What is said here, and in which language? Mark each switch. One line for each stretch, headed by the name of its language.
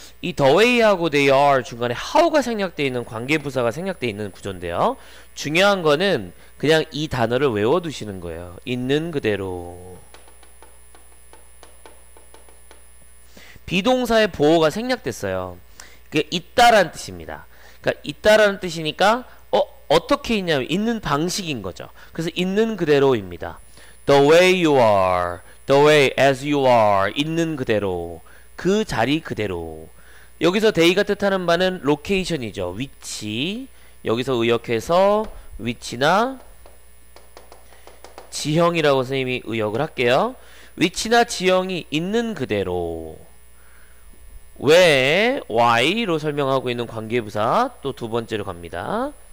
Korean: 이
English: the way
Korean: 하고
English: they are
Korean: 중간에 how가 생략되어 있는 관계부사가 생략되어 있는 구조인데요, 중요한 거는 그냥 이 단어를 외워두시는 거예요. 있는 그대로. 비동사의 보호가 생략됐어요. 그 있다라는 뜻입니다. 그러니까 있다라는 뜻이니까 어떻게 있냐면 있는 방식인 거죠. 그래서 있는 그대로입니다.
English: The way you are, the way as you are,
Korean: 있는 그대로, 그 자리 그대로. 여기서 day가 뜻하는 바는 location이죠. 위치. 여기서 의역해서 위치나 지형이라고 선생님이 의역을 할게요. 위치나 지형이 있는 그대로. 왜, why로 설명하고 있는 관계부사 또 두 번째로 갑니다.